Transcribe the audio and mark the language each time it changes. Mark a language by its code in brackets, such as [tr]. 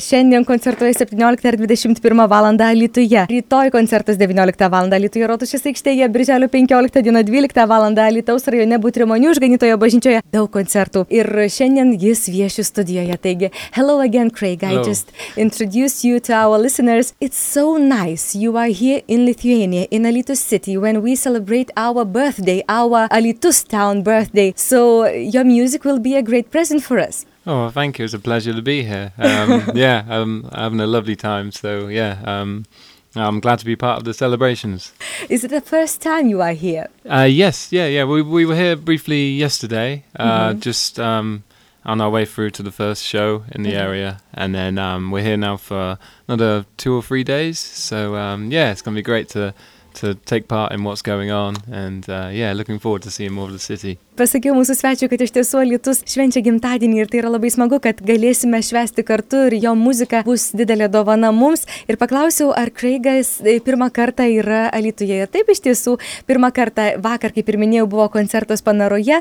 [lt] Šiandien koncertuoja 17:21 valandą Alytuje. Rytoj koncertas 19 valandą Alytuje Rotušės aikštėje, Birželio 15 dieną 12 valandą Alytaus rajone Butrimonių išganytojo bažnyčioje. Daug koncertų. Ir šiandien jis vieši studijoje. [en] Taigi, hello again, Craig. Hello. I just introduce you to our listeners. It's so nice you are here in Lithuania, in Alytus city, when we celebrate our birthday, our Alytus town birthday. So your music will be a great present for us. Oh, well, thank you. It's a pleasure to be here. I'm having a lovely time. So, yeah, I'm glad to be part of the celebrations. Is it the first time you are here? Yes. Yeah. We were here briefly yesterday, just on our way through to the first show in the area. And then we're here now for another 2 or 3 days. So, it's going to be great to take part in what's going on and looking forward to seeing more of the city. [lt] Pasakiau mūsų svečiui, kad iš tiesų Alytus švenčia gimtadienį ir tai yra labai smagu, kad galėsime švęsti kartu ir jo muzika bus didelė dovana mums. Ir paklausiau, ar Craigas pirmą kartą yra Alytuje. Ir taip iš tiesų, pirmą kartą vakar, kaip ir minėjau, buvo koncertas Panaroje.